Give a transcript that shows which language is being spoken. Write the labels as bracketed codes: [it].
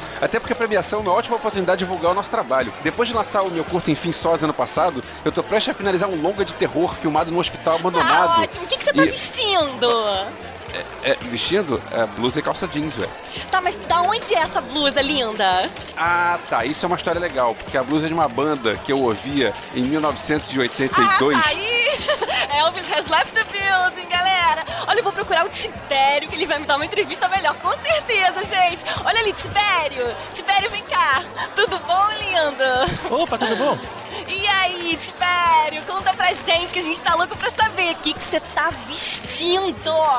[pt] Até porque a premiação é uma ótima oportunidade de divulgar o nosso trabalho. Depois de lançar o meu curta Enfim Sós ano passado, eu tô prestes a finalizar um longa de terror filmado num hospital abandonado. Ah, ótimo. O que você tá vestindo? Vestindo? É blusa e calça jeans, ué. Tá, mas da onde é essa blusa linda? Ah, tá. Isso é uma história legal, porque a blusa é de uma banda que eu ouvia em 1982. Ah, tá aí! [en] Elvis has left the building, galera! [pt] Olha, eu vou procurar o Tibério, que ele vai me dar uma entrevista melhor, com certeza, gente! Olha ali, Tibério! Tibério, vem cá! Tudo bom, lindo? Opa, tudo bom? E aí, Tibério, conta pra gente, que a gente tá louco pra saber o que você tá vestindo.